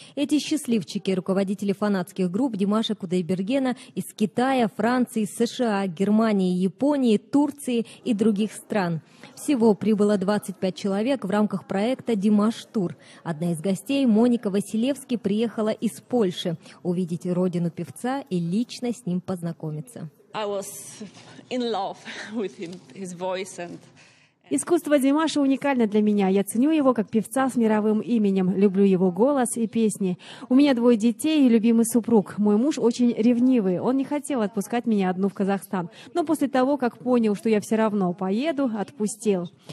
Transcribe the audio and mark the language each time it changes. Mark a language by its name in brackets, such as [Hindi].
[Russian] Эти счастливчики, руководители фанатских групп Димаша Кудайбергена из Китая, Франции, США, Германии, Японии, Турции и других стран. Всего прибыло 25 человек в рамках проекта «Димаш Тур». Одна из гостей, Моника Василевски, приехала из Польши увидеть родину певца и лично с ним познакомиться. [English] I was in love with him, his voice and... [Russian] Искусство Димаша уникально для меня. Я ценю его как певца с мировым именем. Люблю его голос и песни. У меня двое детей и любимый супруг. Мой муж очень ревнивый. Он не хотел отпускать меня одну в Казахстан. Но после того, как понял, что я все равно поеду, отпустил.